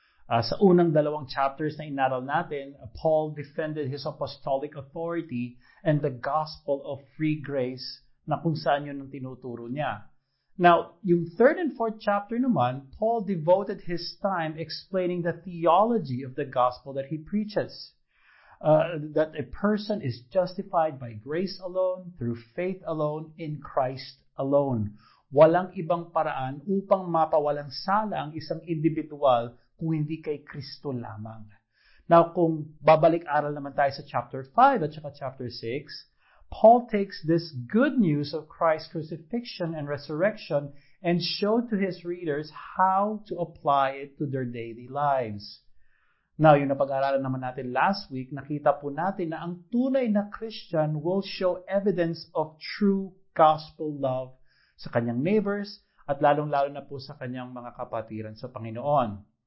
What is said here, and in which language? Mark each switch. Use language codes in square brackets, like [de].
[tl] Sa unang dalawang chapters na inaral natin, Paul defended his apostolic authority and the gospel of free grace na kung saan yun ang tinuturo niya. [en] Now, yung third and fourth chapter naman, Paul devoted his time explaining the theology of the gospel that he preaches. That a person is justified by grace alone, through faith alone, in Christ alone. [tl] Walang ibang paraan upang mapawalang sala ang isang individual kung hindi kay Kristo lamang. [en] Now, kung babalik-aral naman tayo sa chapter 5 at saka chapter 6, Paul takes this good news of Christ's crucifixion and resurrection and showed to his readers how to apply it to their daily lives. [tl] Now, yung napag-aralan naman natin last week, nakita po natin na ang tunay na Christian will show evidence of true gospel love sa kanyang neighbors at lalong-lalo na po sa kanyang mga kapatiran sa Panginoon.